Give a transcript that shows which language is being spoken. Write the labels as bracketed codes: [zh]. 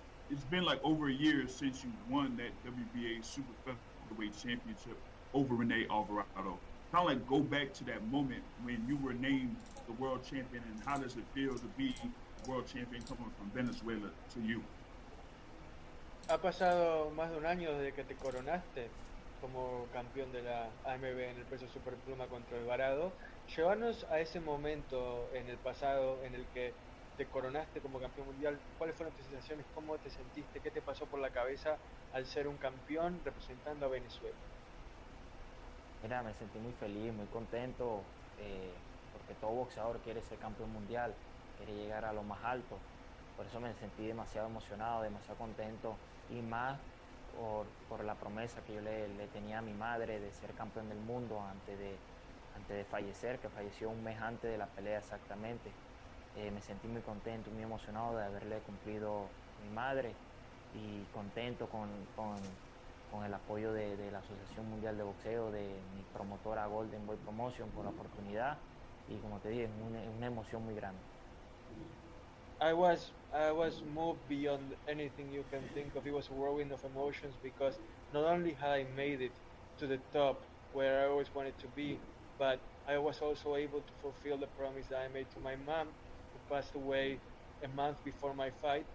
[en] It's been like over a year since you won that WBA Super Featherweight Championship over Rene Alvarado. Kind of like go back to that moment when you were named the world champion, and how does it feel to be world champion coming from Venezuela to you? [es] Ha pasado más de un año desde que te coronaste como campeón de la AMB en el peso superpluma contra Alvarado. Llévanos a ese momento en el pasado en el que te coronaste como campeón mundial. ¿Cuáles fueron tus sensaciones? ¿Cómo te sentiste? ¿Qué te pasó por la cabeza al ser un campeón representando a Venezuela? Mira, me sentí muy feliz, muy contento, porque todo boxeador quiere ser campeón mundial, quiere llegar a lo más alto. Por eso me sentí demasiado emocionado, demasiado contento, y más por la promesa que yo le tenía a mi madre de ser campeón del mundo antes de fallecer, que falleció un mes antes de la pelea exactamente. Me sentí muy contento, muy emocionado de haberle cumplido a mi madre, y contento con con el apoyo de la Asociación Mundial de Boxeo, de mi promotora Golden Boy Promotion, por la oportunidad. Y como te dije, es una emoción muy grande. [en] I was moved beyond anything you can think of. It was a whirlwind of emotions because not only had I made it to the top where I always wanted to be, but I was also able to fulfill the promise that I made to my mom, who passed away a month before my fight.